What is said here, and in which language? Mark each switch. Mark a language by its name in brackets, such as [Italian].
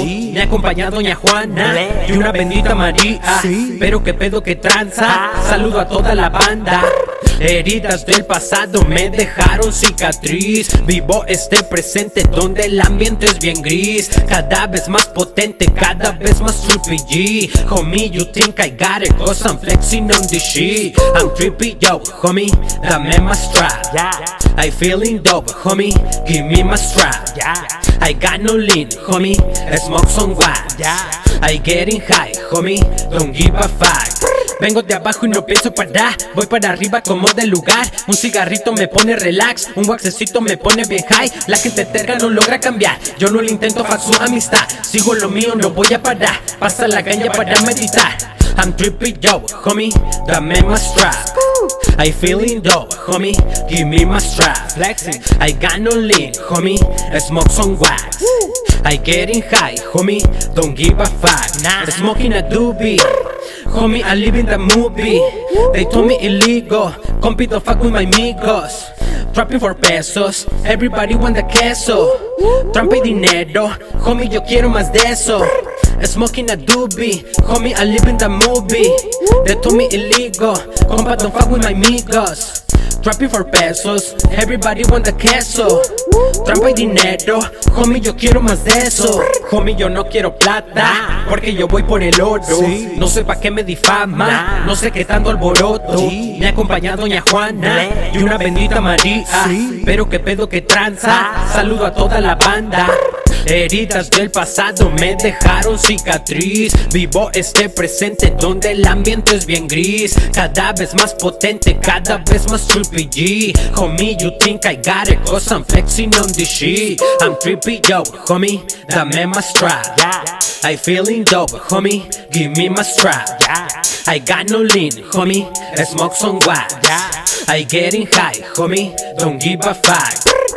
[Spanish] Me acompaña doña Juana y una bendita María. Pero qué pedo que tranza, saludo a toda la banda. Heridas del pasado me dejaron cicatriz. Vivo este presente donde el ambiente es bien gris. Cada vez más potente, cada vez más [English] trippy G. Homie, you think I got it, cause I'm flexing on this shit. I'm trippy, yo, homie, [Spanish] dame [English] my strap. I feeling dope, homie, give me my strap. I got no lean, homie, smoke some wax. I getting high, homie, don't give a fuck. [Spanish] Vengo de abajo y no pienso parar. Voy para arriba como del lugar. Un cigarrito me pone relax, un waxecito me pone bien high. La gente terca no logra cambiar. Yo no le intento fa' su amistad. Sigo lo mío, no voy a parar. Pasa la caña para meditar. [English] I'm trippy, yo, homie, [Spanish] dame [English] my strap. I feeling dope, homie, give me my strap. Flexing. I got no lean, homie, smoke some wax. I getting high, homie, don't give a fuck. Nah. Smoking a doobie. Homie, I live in the movie. They told me illegal. Compi, don't fuck with my amigos. Trapping for pesos. Everybody want the queso. [Spanish] Trampa y dinero. Homie, yo quiero más de eso. [English] Smoking a doobie. Homie, I live in the movie. They told me illegal. Compa, don't fuck with my amigos. Trapping for pesos. Everybody want the queso. [Spanish] Trampa y dinero. Homie, yo quiero más de eso. Homie, yo no quiero plata, porque yo voy por el oro. No sé pa' qué me difama, no sé qué tanto alboroto. Me acompaña doña Juana y una bendita María. Pero qué pedo que tranza, saludo a toda la banda. Heridas del pasado me dejaron cicatriz. Vivo este presente donde el ambiente es bien gris. Cada vez más potente, cada vez más [English] trippy G. Homie, you think I got it, cause I'm flexing on this shit. I'm trippy, yo, homie, [Spanish] dame [English] my strap. I feeling dope, homie, give me my strap. I got no lean, homie, smoke some wax. I getting high, homie, don't give a fuck.